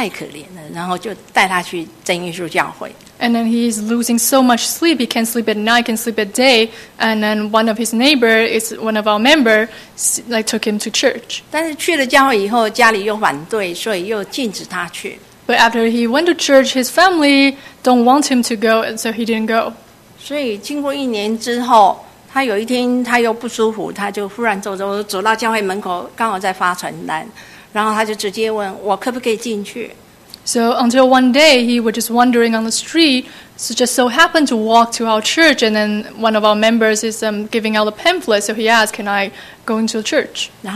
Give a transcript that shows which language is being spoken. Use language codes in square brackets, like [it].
[zh] 然后就在这样子的情况下，他就晚上也没睡，白天也没睡。然后我们楼下的房客看他太可怜了，然后就带他去真耶稣教会。 [en] And then he's losing so much sleep. He can't sleep at night, can't sleep at day. And then one of his neighbor is one of our members, like took him to church. [zh] 但是去了教会以后，家里又反对，所以又禁止他去。 [en] But after he went to church, his family don't want him to go, and so he didn't go. [zh] 所以经过一年之后，他有一天他又不舒服，他就忽然走到走到教会门口，刚好在发传单，然后他就直接问我可不可以进去。 [en] So until one day, he was just wandering on the street, so just so happened to walk to our church, and then one of our members is giving out a pamphlet, so he asked, can I go into the church?